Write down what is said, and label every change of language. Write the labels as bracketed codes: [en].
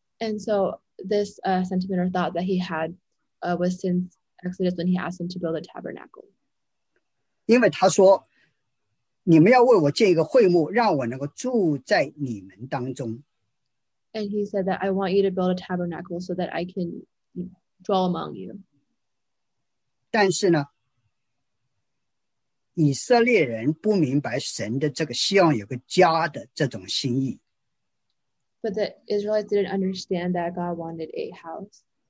[en] And so this sentiment or thought that he had was since Exodus when he asked him to build a tabernacle. [zh] 因为他说，你们要为我建一个会幕，让我能够住在你们当中。 [en] And he said that I want you to build a tabernacle so that I can dwell among you. [zh] 但是呢，以色列人不明白神的这个希望有个家的这种心意。 [en] But the Israelites didn't understand that God wanted a house.